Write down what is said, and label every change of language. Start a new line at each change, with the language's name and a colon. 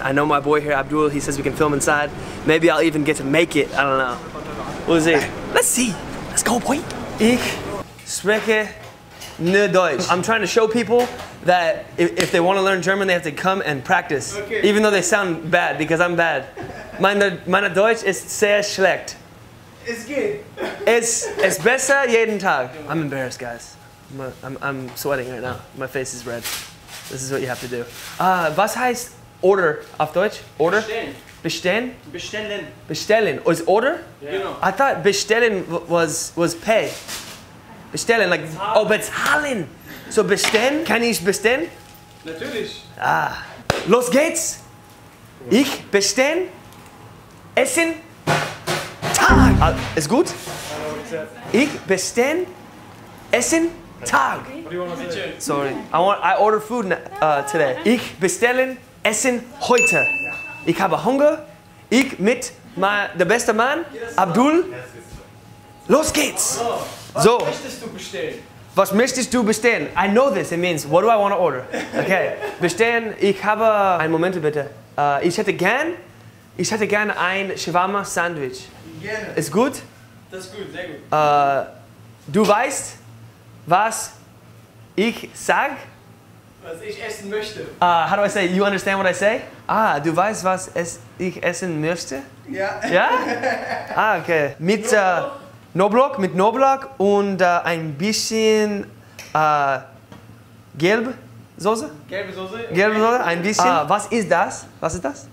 English: I know my boy here, Abdul. He says we can film inside. Maybe I'll even get to make it. I don't know. We'll see. Let's see. Let's go, boy.
German: Ich spreche ne Deutsch.
English: I'm trying to show people that if they want to learn German, they have to come and practice. Okay. Even though they sound bad because I'm bad.
German: Meine Deutsch ist sehr schlecht.
English: It's good. It's
German: besser jeden Tag.
English: I'm embarrassed, guys. I'm sweating right now. My face is red. This is what you have to do.
German: Was heißt order auf Deutsch?
English: Order?
German: Bestellen. Bestellen? Bestellen. Bestellen.
English: Is order? Yeah.
German: Genau.
English: I thought bestellen was pay.
German: Bestellen,
English: like,
German: oh, bezahlen. So bestellen, kann ich bestellen? Natürlich. Ah. Los geht's. Ich bestellen. Essen. Ist gut? Ich bestelle Essen Tag.
English: Sorry, I order food today.
German: Ich bestelle Essen heute. Ich habe Hunger. Ich mit der beste Mann, Abdul. Los geht's! So, was möchtest du bestellen? Was möchtest du bestellen?
English: I know this, it means, what do I want to order?
German: Okay, bestellen, ich habe... Einen Moment bitte. Ich hätte gern ein Shawarma Sandwich. Gerne. Ist gut? Das ist gut, sehr gut. Du weißt, was ich sag? Was ich essen möchte.
English: How do I say, you understand what I say?
German: Du weißt, was ich essen möchte? Ja. Ja? Ah, okay. Mit Knoblauch. Mit Knoblauch und ein bisschen gelb Soße? Gelbe Soße. Okay. Gelbe Soße, ein bisschen. Was ist das? Was ist das?